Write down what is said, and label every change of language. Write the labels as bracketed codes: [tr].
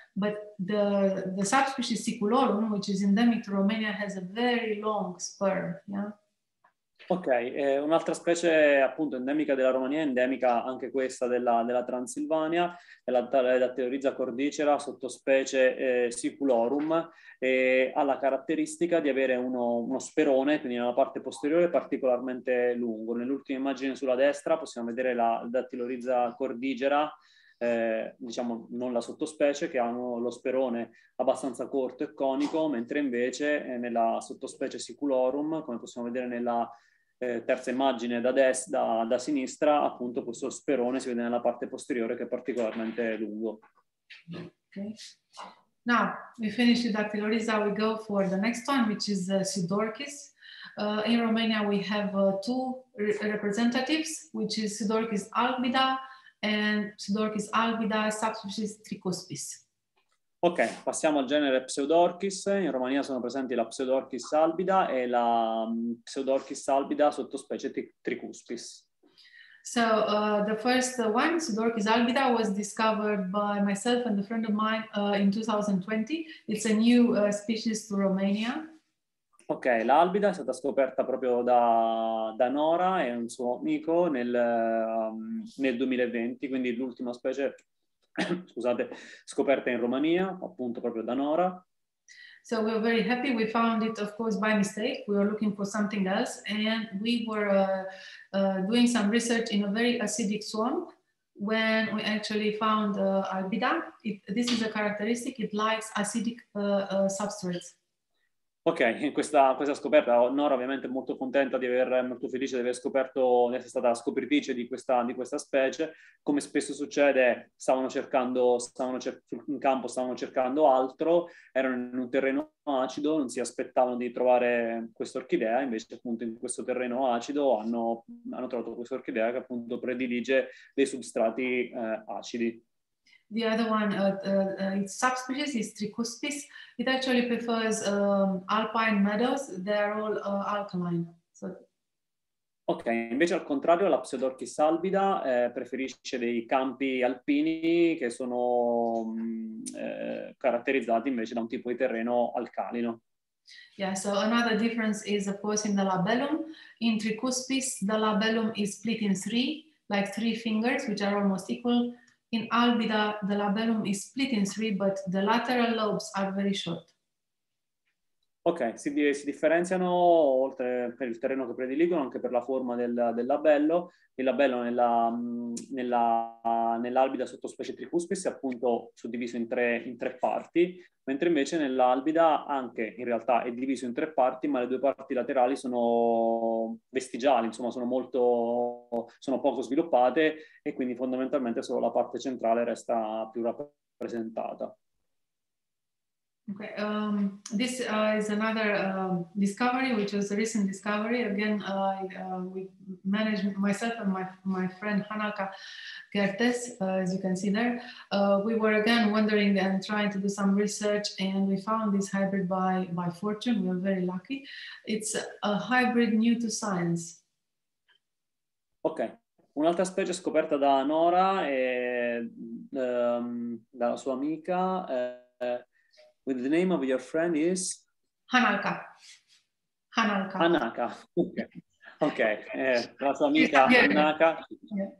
[en] But the subspecies Siculorum, which is endemic to Romania, has a very long spur. Yeah. [it] Ok, un'altra specie appunto endemica della Romania, endemica anche questa della Transilvania, è la Dactylorhiza cordigera, sottospecie Siculorum, e ha la caratteristica di avere uno sperone, quindi nella parte posteriore, particolarmente lungo. Nell'ultima immagine sulla destra possiamo vedere la Dactylorhiza cordigera, diciamo non la sottospecie, che hanno lo sperone abbastanza corto e conico, mentre invece nella sottospecie Siculorum, come possiamo vedere nella terza immagine da sinistra, appunto questo sperone si vede nella parte posteriore, che è particolarmente lungo. [en] Okay. Now we finish the Dactylorhiza, we go for the next one, which is Sidorchis. In Romania we have two representatives, which is Sidorchis albida and Pseudorchis albida, subspecies tricuspis. [it] Ok, passiamo al genere Pseudorchis. In Romania sono presenti la Pseudorchis albida e la Pseudorchis albida, sottospecie tricuspis. [en] So, the first one, Pseudorchis albida, was discovered by myself and a friend of mine in 2020. It's a new species to Romania. [it] Ok, l'albida è stata scoperta proprio da Nora e un suo amico nel 2020, quindi l'ultima specie, scusate, scoperta in Romania, appunto proprio da Nora. [en] So we were very happy, we found it of course by mistake, we were looking for something else, and we were doing some research in a very acidic swamp when we actually found albida. This is a characteristic, it likes acidic substrates. [it] Ok, questa scoperta, Nora ovviamente molto contenta, di aver molto felice di aver scoperto, di essere stata scopritrice di questa specie. Come spesso succede, stavano cercando altro, erano in un terreno acido, non si aspettavano di trovare questa orchidea, invece appunto in questo terreno acido hanno trovato questa orchidea, che appunto predilige dei substrati acidi. [en] The other one, its subspecies is Tricuspis. It actually prefers alpine meadows. They are all alkaline. So. [it] Ok, invece al contrario, la Pseudorchis albida preferisce dei campi alpini che sono caratterizzati invece da un tipo di terreno alcalino. [en] Yeah, so another difference is, of course, in the labellum. In Tricuspis, the labellum is split in three, like three fingers, which are almost equal. In albida, the labellum is split in three, but the lateral lobes are very short. [it] Ok, si differenziano, oltre per il terreno che prediligono, anche per la forma del labello. Il labello nell'albida sottospecie Tricuspis è appunto suddiviso in tre parti, mentre invece nell'albida anche in realtà è diviso in tre parti, ma le due parti laterali sono vestigiali, insomma sono poco sviluppate, e quindi fondamentalmente solo la parte centrale resta più rappresentata. [en] Okay, this is another discovery, which was a recent discovery. Again, we managed, myself and my friend Hanaka Gertes, as you can see there. We were again wondering and trying to do some research, and we found this hybrid by fortune. We were very lucky. It's a hybrid new to science. Okay. [it] Un'altra specie scoperta da Nora e dalla sua amica. [en] With the name of your friend is? Hanaka. Hanaka. [it] Hanaka. Ok. La sua amica Hanaka. Yeah.